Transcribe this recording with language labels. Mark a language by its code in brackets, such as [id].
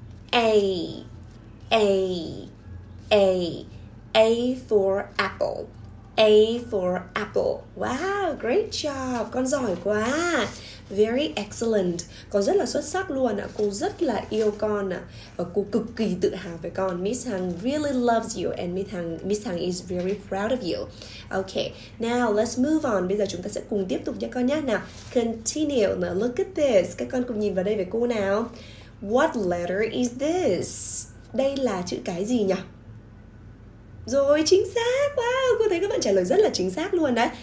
[en] A, A, A, A for apple, A for apple. Wow, great job, [vi] con giỏi quá. [en] Very excellent, [vi] con rất là xuất sắc luôn ạ. Cô rất là yêu con ạ. Và cô cực kỳ tự hào về con. [en] Miss Hằng really loves you and Miss Hằng is very proud of you. Okay, now let's move on. [vi] Bây giờ chúng ta sẽ cùng tiếp tục nha con nhé. Nào, [en] continue, now look at this. [vi] Các con cùng nhìn vào đây với cô nào. [en] What letter is this? [vi] Đây là chữ cái gì nhỉ? Rồi, chính xác. Wow, cô thấy các bạn trả lời rất là chính xác luôn đấy.